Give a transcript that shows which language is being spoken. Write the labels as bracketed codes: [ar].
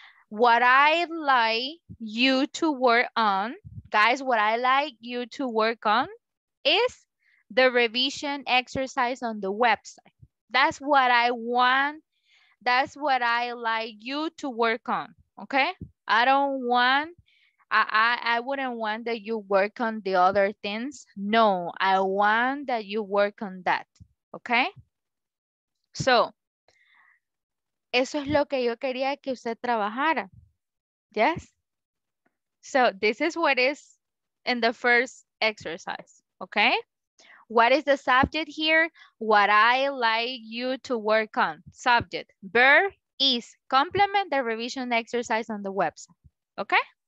[en] What I'd like you to work on, guys, what I like you to work on is the revision exercise on the website. That's what I want. That's what I like you to work on. okay? I wouldn't want that you work on the other things. No, I want that you work on that, okay? [es] So, eso es lo que yo quería que usted trabajara. [en] Yes? So, this is what is in the first exercise, okay? What is the subject here? What I like you to work on. Subject, verb, is. Complement the revision exercise on the website, okay?